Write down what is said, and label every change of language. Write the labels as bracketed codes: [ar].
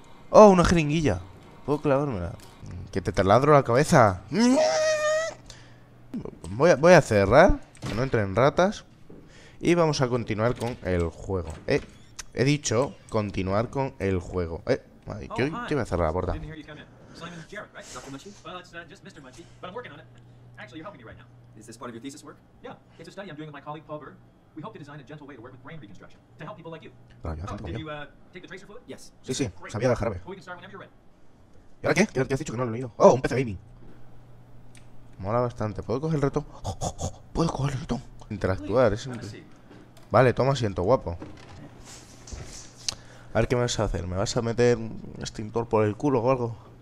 [es] ¡Oh, una jeringuilla! ¿Puedo clavármela? ¡Que te taladro la cabeza! Voy a cerrar, que no entren ratas. Y vamos a continuar con el juego. He dicho continuar con el juego. Yo iba a cerrar la puerta. [en] Simon Jarrett, right? Dr. Munchie? Well, it's just Mr. Munchie, but I'm working on it. Actually, you're helping me right now. Is this part of your thesis work? Yeah, it's a study I'm doing with my colleague Paul Berg. We hope to design a gentle way to work with brain reconstruction to help people like you. Did you take the tracer fluid? Yes. [es] Sí, sí. Sabía del jarabe. [en] We can start whenever you're ready. [es] ¿Y ahora qué? ¿Qué has dicho que no lo he leído? Oh, un PC gaming. Mola bastante. ¿Puedo coger el ratón? ¿Puedo coger el ratón? Interactuar, es simple. Vale, toma asiento, guapo. A ver qué me vas a hacer. ¿Me vas a meter un extintor por el culo o algo?